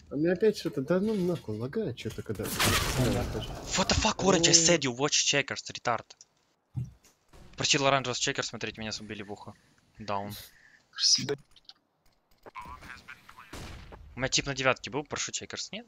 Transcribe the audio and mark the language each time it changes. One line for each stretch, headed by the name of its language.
Russian: А мне опять что-то, да ну нахуй, лагает что-то когда.
English: What the fuck, orange, I said you, watch checkers, retard.
Russian: Просил оранжевый чекер смотреть, меня убили в ухо. Даун. У меня тип на девятке был, прошу чекерс, нет?